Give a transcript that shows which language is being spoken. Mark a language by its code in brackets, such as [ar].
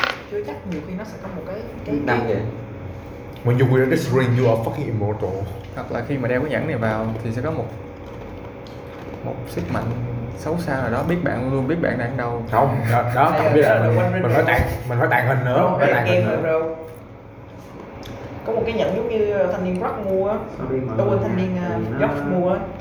[vi] Chưa chắc nhiều khi nó sẽ có một cái năng vậy. [en] When you wear this ring, you are fucking immortal. [vi] Hoặc là khi mà đeo cái nhẫn này vào thì sẽ có một sức mạnh xấu xa rồi đó, biết bạn luôn, biết bạn đang đâu. Không, đó, không biết là mình nói tàn hình nữa. Đấy, tàn hình nữa. Có một cái nhẫn giống như thanh niên Rock mua á. Đâu quên thanh niên Rock mua á.